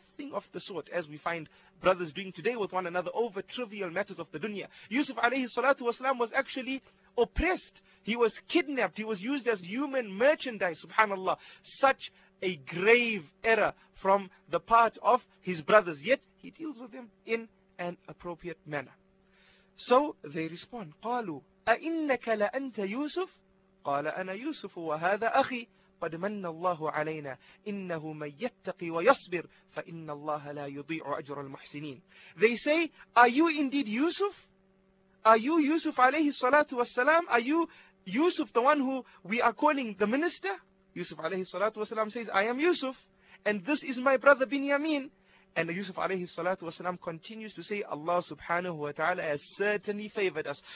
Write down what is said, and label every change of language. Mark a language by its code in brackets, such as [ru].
[en] Nothing of the sort as we find brothers doing today with one another over trivial matters of the dunya. Yusuf alayhi salatu wasalam was actually oppressed. He was kidnapped. He was used as human merchandise, subhanallah. Such a grave error from the part of his brothers. Yet, he deals with them in an appropriate manner. So, they respond, [ar] قَالُوا أَإِنَّكَ لَأَنْتَ يُوسُفُ قَالَ أَنَا يُوسُفُ وَهَذَا أَخِي قَدْ مَنَّ اللَّهُ عَلَيْنَا إِنَّهُ مَنْ يَتَّقِ وَيَصْبِرْ فَإِنَّ اللَّهَ لَا يُضِيعُ أَجْرَ الْمُحْسِنِينَ. [en] They say, are you indeed Yusuf? Are you Yusuf alayhi salatu wasalam? Are you Yusuf, the one who we are calling the minister? Yusuf alayhi salatu wasalam says, I am Yusuf, and this is my brother Binyamin. And Yusuf alayhi salatu wasalam continues to say, Allah subhanahu wa ta'ala has certainly favored us.